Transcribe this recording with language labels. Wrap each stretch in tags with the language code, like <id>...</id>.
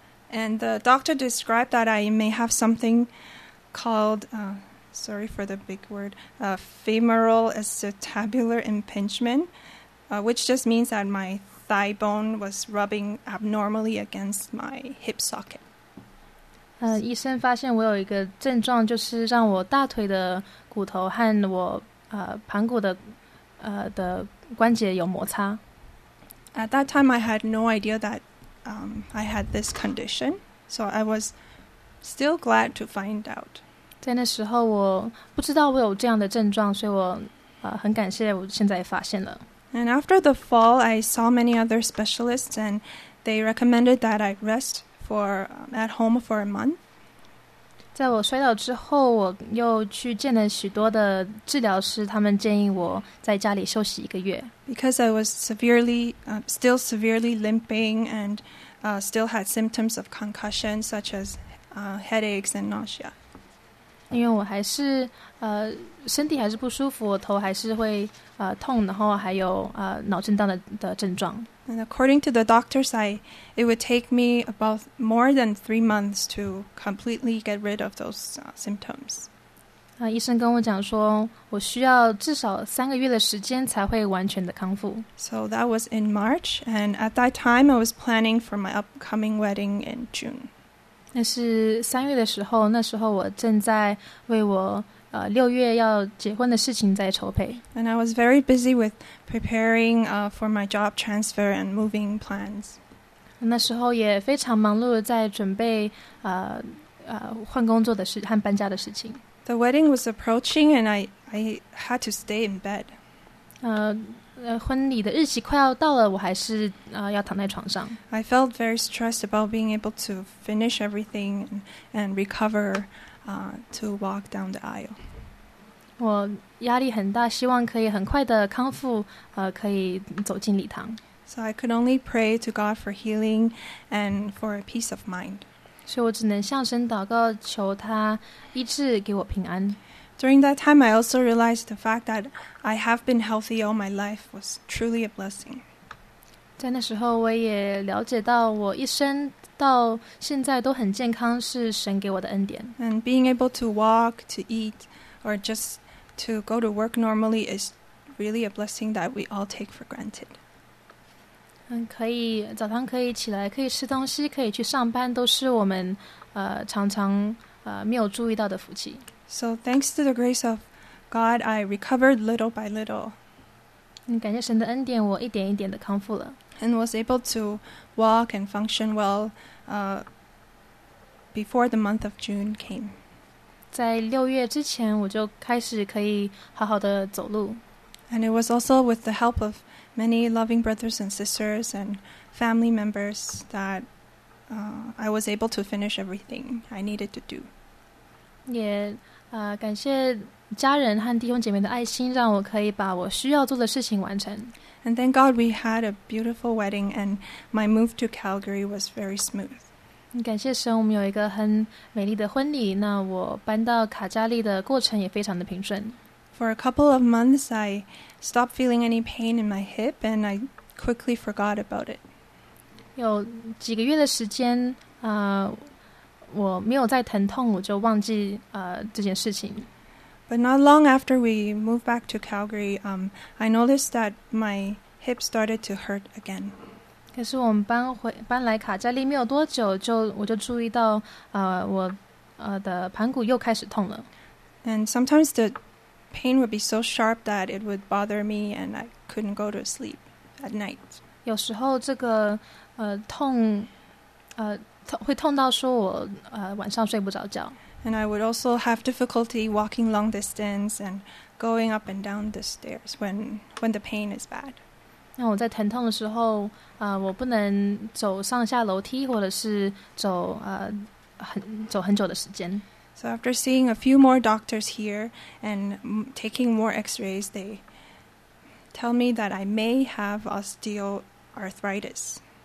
<en>And the doctor described that I may have something called Sorry for the big word, femoral acetabular impingement, which just means that my thigh bone was rubbing abnormally against my hip socket.</en> <zh>医生发现我有一个症状，就是让我大腿的骨头和我盘骨的关节有摩擦。</zh> <en>At that time, I had no idea that I had this condition, so I was still glad to find out.</en> <zh>在那时候我不知道我有这样的症状，所以我很感谢我现在发现了。</zh> <en>And after the fall, I saw many other specialists and they recommended that I rest at home for a month.</en> <zh>在我摔倒之后，我又去见了许多的治疗师，他们建议我在家里休息一个月。</zh> <en>Because I was still severely limping and still had symptoms of concussion such as headaches and nausea.</en> <zh>因为我还是身体还是不舒服，我头还是会痛，然后还有脑震荡的症状。</zh> <en>And according to the doctors, it would take me about more than 3 months to completely get rid of those symptoms.</en> <zh>医生跟我讲说，我需要至少3个月的时间才会完全的康复。</zh> <en>So that was in March, and at that time, I was planning for my upcoming wedding in June.</en> <zh>那是三月的时候，那时候我正在为我六月要结婚的事情在筹备。</zh> <en>And I was very busy with preparing for my job transfer and moving plans.</en> <zh>那时候也非常忙碌的在准备换工作的事和搬家的事情。</zh> <en>The wedding was approaching and I had to stay in bed.</en> <zh>婚礼的日期快要到了，我还是要躺在床上。</zh> <en>I felt very stressed about being able to finish everything and recover to walk down the aisle.</en> <zh>我压力很大，希望可以很快的康复，可以走进礼堂。</zh> <en>So I could only pray to God for healing and for a peace of mind.</en> <zh>所以我只能向神祷告，求他医治，给我平安。</zh> <en>During that time, I also realized the fact that I have been healthy all my life was truly a blessing.</en> <zh>在那时候，我也了解到我一生到现在都很健康是神给我的恩典。</zh> <en>And being able to walk, to eat, or just to go to work normally is really a blessing that we all take for granted.</en> <zh>可以早上可以起来，可以吃东西，可以去上班，都是我们常常没有注意到的福气。</zh> <en>So thanks to the grace of God, I recovered little by little.</en> <zh>感谢神的恩典，我一点一点的康复了。</zh> <en>And was able to walk and function well before the month of June came.</en> <zh>在六月之前，我就开始可以好好的走路。</zh> <en>And it was also with the help of many loving brothers and sisters and family members that I was able to finish everything I needed to do.</en> <zh>也感谢家人和弟兄姐妹的爱心，让我可以把我需要做的事情完成。</zh> <en>And thank God we had a beautiful wedding and my move to Calgary was very smooth.</en> <zh>感谢神，我们有一个很美丽的婚礼，那我搬到卡加利的过程也非常的平顺。</zh> <en>For a couple of months, I stopped feeling any pain in my hip and I quickly forgot about it.</en> <zh>有几个月的时间，我没有再疼痛，我就忘记这件事情。</zh> <en>But not long after we moved back to Calgary, I noticed that my hip started to hurt again.</en> <zh>可是我们搬来卡加利没有多久，我就注意到我的盘骨又开始痛了。</zh> <en>And sometimes the pain would be so sharp that it would bother me, and I couldn't go to sleep at night.</en> <zh>有时候这个痛会痛到说我晚上睡不着觉。</zh> <en>And I would also have difficulty walking long distance and going up and down the stairs when the pain is bad.</en> <zh>那我在疼痛的时候，我不能走上下楼梯，或者是走很久的时间。</zh> <en>So after seeing a few more doctors here and taking more X-rays, they tell me that I may have osteoarthritis.</en>